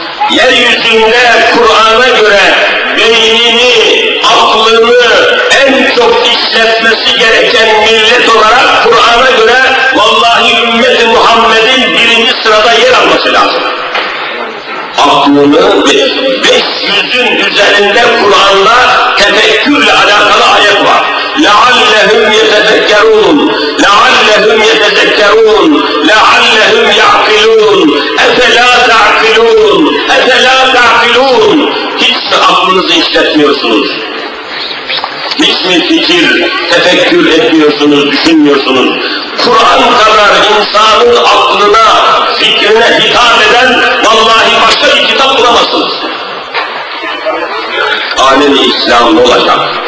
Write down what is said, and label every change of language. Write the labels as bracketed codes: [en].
[tr] Yeryüzünde Kur'an'a göre beynini, aklını en çok işletmesi gereken millet olarak Kur'an'a göre vallahi ümmet-i Muhammed'in birinci sırada yer alması lazım. Aklını 500'ün üzerinde Kur'an'da tefekkürle alakalı ayet var. [ar] لَعَلَّهُمْ يَتَذَكَّرُونَ لَعَلَّهُمْ يَتَذَكَّرُونَ لَعَلَّهُمْ يَعْقِلُونَ اَفَلَا تَعْقِلُونَ اَفَلَا تَعْقِلُونَ [tr] Hiç aklınızı işletmiyorsunuz. Hiç mi fikir, tefekkür etmiyorsunuz, düşünmüyorsunuz? Kur'an kadar insanın aklına, fikrine hitap eden vallahi başka bir kitap bulamazsınız. Alem-i İslam ne olacak?